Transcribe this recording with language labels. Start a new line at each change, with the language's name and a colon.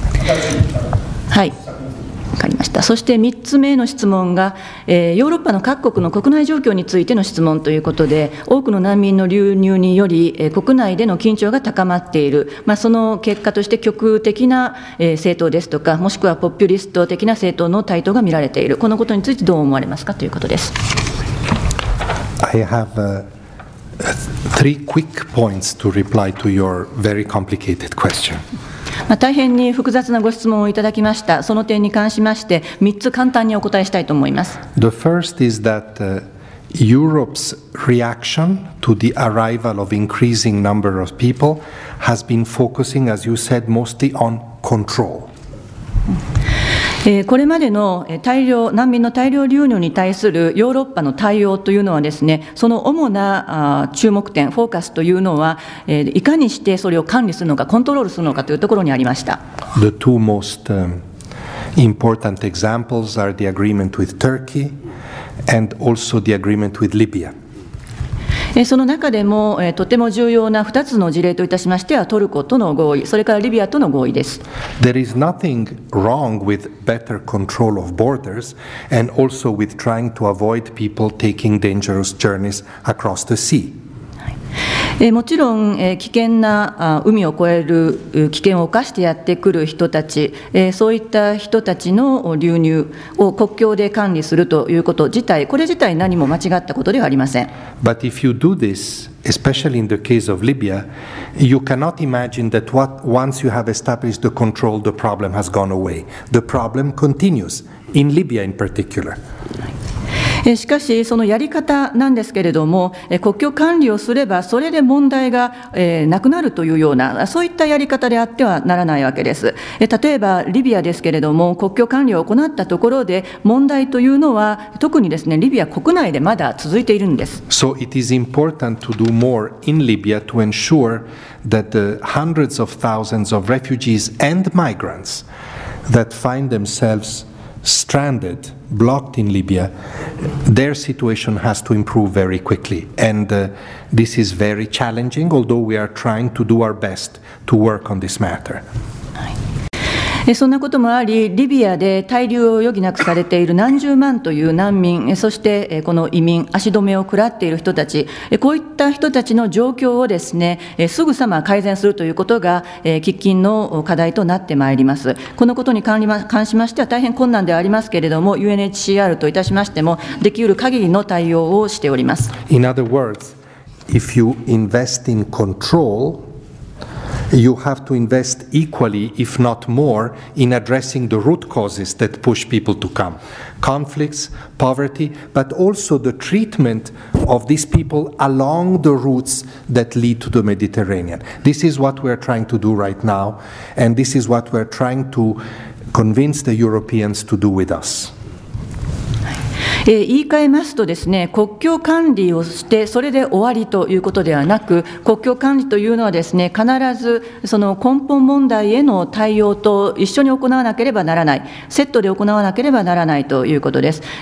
Japanese: はい、わかりました。そして3つ目の質問が、ヨーロッパの各国の国内状況についての質問ということで、多くの難民の流入により、国内での緊張が高まっている、まあ、その結果として極右的な、政党ですとか、もしくはポピュリスト的な政党の台頭が見られている、このことについてどう思われますかということです。
English: I have three quick points to reply to your very complicated question.
Japanese: 大変に複雑なご質問をいただきました。その点に関しまして、3つ簡単にお答えしたいと思います。
English: The first is that Europe's reaction to the arrival of increasing number of people has been focusing, as you said, mostly on control.
Japanese: これまでの大量難民の大量流入に対するヨーロッパの対応というのはですね、その主な注目点、フォーカスというのは、いかにしてそれを管理するのか、コントロールするのかというところにありました。
English: The two most important examples are the agreement with Turkey and also the agreement with Libya.
Japanese: その中でもとても重要な2つの事例といたしましては、トルコとの合意、それからリビアとの合意です。
English: There is nothing wrong with better control of borders and also with trying to avoid people taking dangerous journeys across the sea.
Japanese: もちろん危険な海を越える危険を犯してやってくる人たち、そういった人たちの流入を国境で管理するということ自体、これ自体何も間違ったことではありません。
English: But if you do this, especially in the case of Libya, you cannot imagine that what, once you have established the control, the problem has gone away. The problem continues, in Libya in particular.
Japanese: しかしそのやり方なんですけれども、国境管理をすればそれで問題がなくなるというような、そういったやり方であってはならないわけです。例えばリビアですけれども、国境管理を行ったところで問題というのは特にですね、リビア国内でまだ続いているんです。
English: So it is important to do more in Libya to ensure that the hundreds of thousands of refugees and migrants that find themselves stranded,blocked in Libya, their situation has to improve very quickly. And this is very challenging, although we are trying to do our best to work on this matter.
Japanese: そんなこともあり、リビアで滞留を余儀なくされている何十万という難民、そしてこの移民、足止めを食らっている人たち、こういった人たちの状況をですね、すぐさま改善するということが喫緊の課題となってまいります。このことに関しましては大変困難ではありますけれども、 UNHCR といたしましてもできる限りの対応をしております。
English: In other words, if you invest in controlYou have to invest equally, if not more, in addressing the root causes that push people to come. Conflicts, poverty, but also the treatment of these people along the routes that lead to the Mediterranean. This is what we're trying to do right now, and this is what we're trying to convince the Europeans to do with us.
Japanese: 言い換えますとですね、国境管理をしてそれで終わりということではなく、国境管理というのはですね、必ずその根本問題への対応と一緒に行わなければならない、セットで行わなければならないということです。